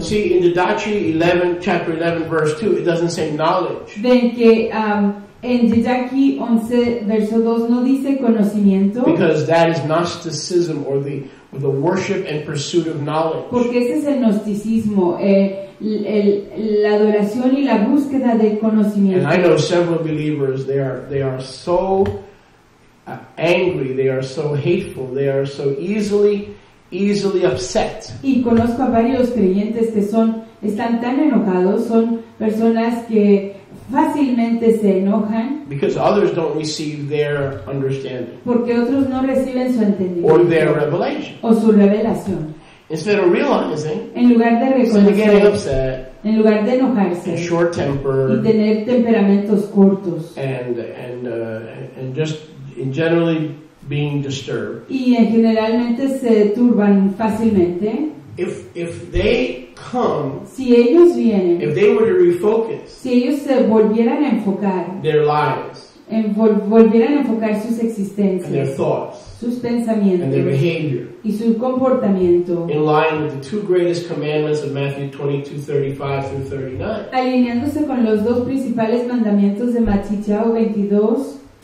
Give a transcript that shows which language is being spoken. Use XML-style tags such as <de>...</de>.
<en>See, in the Didache 11, chapter 11, verse 2, it doesn't say knowledge.</en> <es>Ven que en Didache 11, verso 2, no dice conocimiento.</es> <en>Because that is Gnosticism or the worship and pursuit of knowledge.</en> <es>Porque ese es el gnosticismo, la adoración y la búsqueda del conocimiento.</es> <en>And I know several believers, they are so angry, they are so hateful, they are so easily upset.</en> <es>Y conozco a varios creyentes que están tan enojados, son personas que fácilmente se enojan.</es> <en>Because others don't receive their understanding.</en> <es>Porque otros no reciben su entendimiento.</es> <en>Or their revelation.</en> <es>O su revelación.</es> <en>Instead of realizing.</en> <es>En lugar de reconocer.</es> <en>Instead of getting upset.</en> <es>En lugar de enojarse.</es> <en>And short temper.</en> <es>Y tener temperamentos cortos.</es> <en>And just in generally being disturbed.</en> <es>Y generalmente se turban fácilmente.</es> <en>If they come,</en> <es>si ellos vienen,</es> <en>if they were to refocus,</en> <es>si ellos se volvieran a enfocar,</es> <en>their lives,</en> <es>en volvieran a enfocar sus existencias,</es> <en>and their thoughts,</en> <es>sus pensamientos,</es> <en>and their behavior,</en> <es>y su comportamiento,</es> <en>in line with the two greatest commandments of Matthew 22:35-39,</en> <es>alineándose con los dos principales mandamientos de Matthew 22.</es>